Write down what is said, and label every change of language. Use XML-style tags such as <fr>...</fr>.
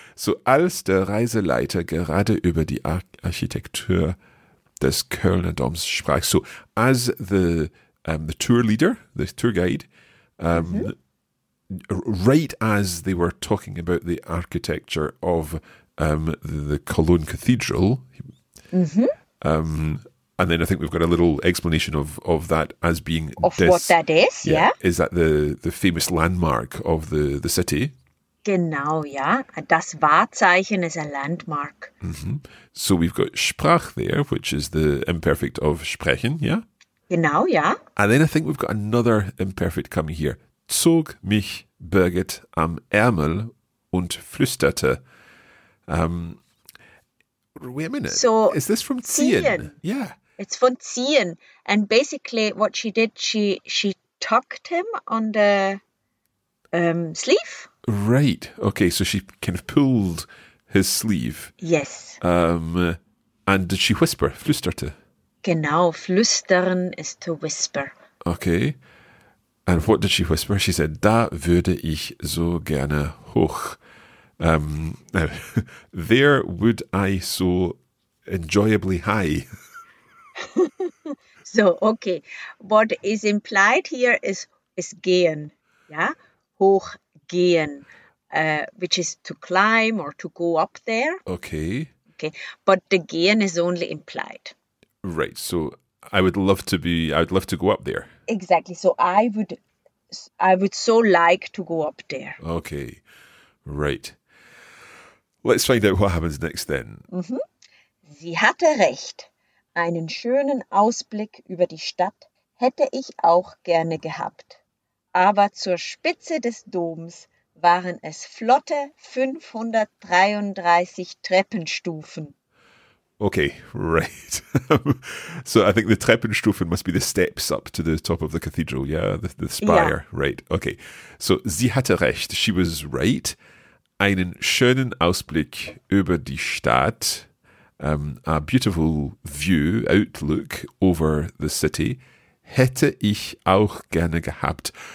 <de>So, als der Reiseleiter gerade über die Architektur des Kölner Doms sprach,</de> <en>so as the tour leader, the tour guide,</en> <de>mm-hmm.</de> <en>right as they were talking about the architecture of the Cologne Cathedral, mm-hmm. And then I think we've got a little explanation of that as being of this, what that is, yeah. Is that the famous landmark of the city?</en> <de>Genau, yeah.</de> <en>Das Wahrzeichen is a landmark. Mm-hmm. So we've got sprach there, which is the imperfect of sprechen, yeah?</en> <de>Genau, yeah.</de> <en>And then I think we've got another imperfect coming here.</en> <de>Zog mich Birgit am Ärmel und flüsterte.</de> <en>Wait a minute. So is this from ziehen? Yeah. It's from ziehen. And basically what she did, she tucked him on the sleeve. Right. Okay, so she kind of pulled his sleeve. Yes. And did she whisper, flüsterte? Genau, flüstern is to whisper. Okay. And what did she whisper? She said,</en> <de>da würde ich so gerne hoch.</de> <en>There would I so enjoyably high. So, okay. What is implied here is gehen. Yeah? Hoch gehen. Which is to climb or to go up there. Okay. Okay. But the gehen is only implied. Right. So I would love to go up there. Exactly. So I would so like to go up there. Okay. Right. Let's find out what happens next then.</en> <de>Mm-hmm. Sie hatte recht. Einen schönen Ausblick über die Stadt hätte ich auch gerne gehabt. Aber zur Spitze des Doms waren es flotte 533 Treppenstufen.</de> <en>Okay, right. So I think the Treppenstufen must be the steps up to the top of the cathedral, yeah? The spire, yeah. Right. Okay, so</en> <de>sie hatte recht.</de> <en>She was right.</en> <de>Einen schönen Ausblick über die Stadt,</de> <en>a beautiful view, outlook over the city,</en> <de>hätte ich auch gerne gehabt.</de>